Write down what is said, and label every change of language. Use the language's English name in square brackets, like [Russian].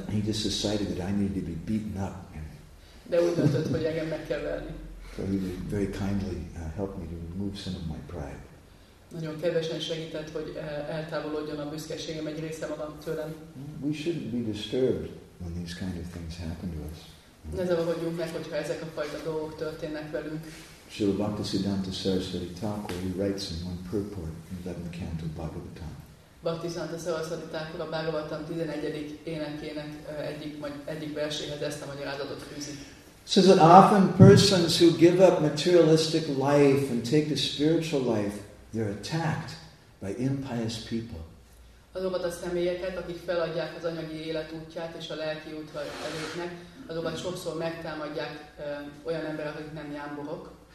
[English] He just decided that I needed to be beaten up. [Hungarian] De úgy döntött, hogy engem meg kell verni. [English] So he very kindly helped me to remove some of my pride. [Hungarian] nagyon kevesen segített, hogy eltávolodjon a büszkeségem egy része magam tőlem. [English] We shouldn't be disturbed when these kind of things happen to us. [Hungarian] Ne zavarodjunk meg, hogyha ezek a fajta dolgok történnek velünk. [English] Srila Bhaktisiddhanta Sarasvati Thakur, he writes in one purport in the 11th canto of Bhagavatam. [Hungarian] Bhaktisiddhanta Sarasvati Thakur a Bhagavatam 11. énekének egyik verséhez ezt a magyarázatot fűzi. [English] Says that often persons who give up materialistic life and take the spiritual life, they're attacked by impious people. [Hungarian] Azokat a személyeket, akik feladják az anyagi élet útját és a lelki útra elépnek, azokat sokszor megtámadják olyan emberek, akik nem jámborok.